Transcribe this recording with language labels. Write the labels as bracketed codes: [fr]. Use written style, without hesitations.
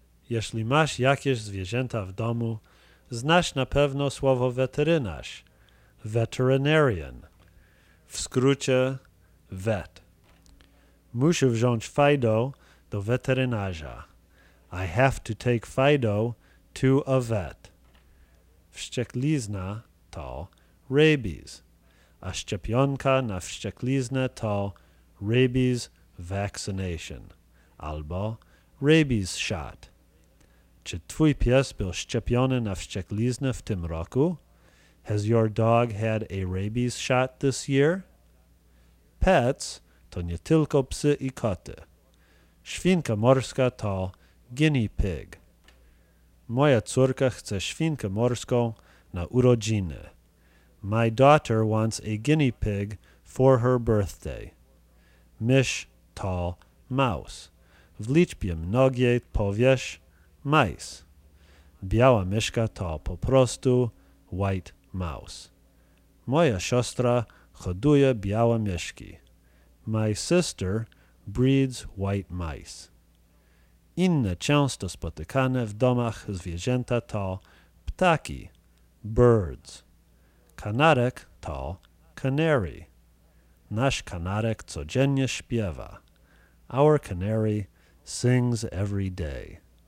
[pl] Jeśli masz jakieś zwierzęta w domu, znasz na pewno słowo weterynarz. Veterinarian. W skrócie vet. Muszę wziąć Fido do weterynarza. [en] I have to take Fido to a vet. [pl] Wszczekliznę to rabies. A szczepionka na wszczekliznę to rabies vaccination. Albo rabies shot. Czy twój pies był szczepiony na wszczekliznę w tym roku? [en] Has your dog had a rabies shot this year? [pl] Pets to nie tylko psy i koty. Świnka morska to guinea pig. Moja córka chce świnkę morską na urodziny. [en] My daughter wants a guinea pig for her birthday. [pl] Mysz to mouse. W liczbie mnogiej powiesz mice. Biała myszka to po prostu white mouse. Moja siostra hoduje białe myszki. [en] My sister breeds white mice. [pl] Inne często spotykane w domach zwierzęta to ptaki, birds. Kanarek to canary. Nasz kanarek codziennie śpiewa. [en] Our canary sings every day.